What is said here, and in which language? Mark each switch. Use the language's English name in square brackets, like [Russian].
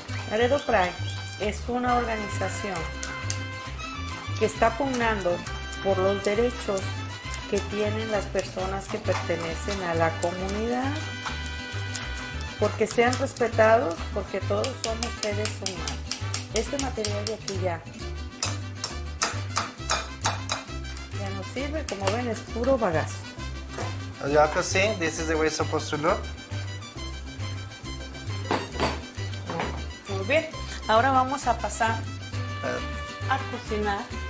[Spanish] Laredo Pride es una organización que está pugnando por los derechos que tienen las personas que pertenecen a la comunidad, porque sean respetados, porque todos somos seres humanos. Este material de aquí ya no sirve, como ven, es puro bagazo. [English] As you can see, this is the way it's supposed to look. [Spanish] Muy bien, ahora vamos a pasar a cocinar.